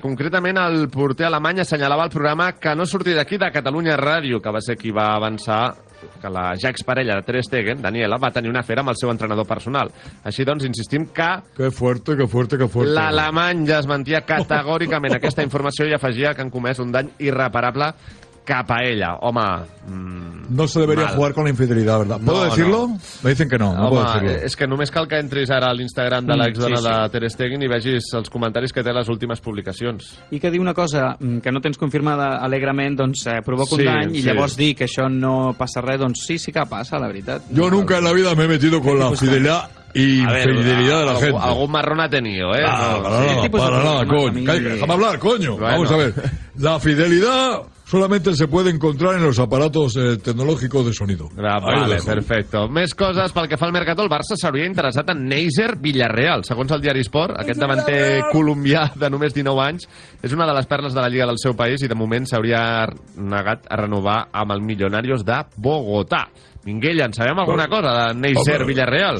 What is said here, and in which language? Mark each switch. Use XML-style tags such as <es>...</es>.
<ca>Concretament, el porter alemany assenyalava al programa que no sortia d'aquí, de Catalunya Ràdio, que va ser qui va avançar que la ja exparella de Ter Stegen, Daniela, va tenir una afera amb el seu entrenador personal. Així doncs, insistim que...</ca> <es>Que fuerte, que fuerte, que fuerte.</es> <ca>L'alemany ja desmentia categòricament aquesta informació i afegia que han comès un dany irreparable cap a ella. Home...</ca> <es>No se debería jugar con la infidelidad, ¿verdad? ¿Puedo decirlo? No. Me dicen que no.</es> <ca>Home,</ca> <es>no puedo decirlo.</es> <ca>És que només cal que entris ara a l'Instagram de l'exdona de Ter Stegen i vegis els comentaris que té les últimes publicacions. I que diu una cosa que no tens confirmada alegrement, doncs provoca un dany i llavors dir que això no passa res, doncs sí, sí que passa, la veritat.</ca> <es>Yo nunca en la vida me he metido con la fidelidad. Y infidelidad de la gente. Algún marrón ha tenido, ¿eh? Para nada, coño. Déjame hablar, coño. Bueno. Vamos a ver. La fidelidad solamente se puede encontrar en los aparatos tecnológicos de sonido. Vale, perfecto.</es> <ca>Més coses pel que fa al Mercató. El Barça s'hauria interessat en Neizer Villarreal. Segons el diari Sport, aquest davanter colombià de només 19 anys és una de les perles de la Lliga del seu país i de moment s'hauria negat a renovar amb el Millonarios de Bogotà. Minguella, en sabem alguna cosa de Neizer Villarreal?</ca>